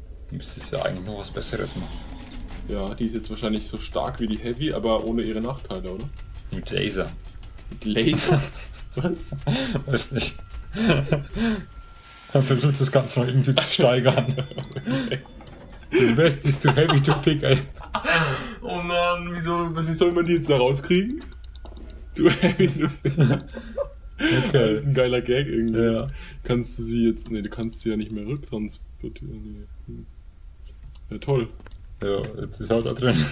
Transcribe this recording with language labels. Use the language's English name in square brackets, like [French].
[German] Müsste es ja eigentlich nur was Besseres machen. Ja, die ist jetzt wahrscheinlich so stark wie die Heavy, aber ohne ihre Nachteile, oder? Mit Laser. Mit Laser? Was? Weiß nicht. Dann versucht das Ganze noch irgendwie zu steigern. [English] The best is too heavy to pick up. [German] Oh man, wie soll man die jetzt da rauskriegen? [English] Too heavy to pick. [German] Okay. Das ist ein geiler Gag irgendwie. Ja. Kannst du sie jetzt. Nee, du kannst sie ja nicht mehr rücktransportieren. Nee. Ja, toll. Ja, jetzt ist halt da drin.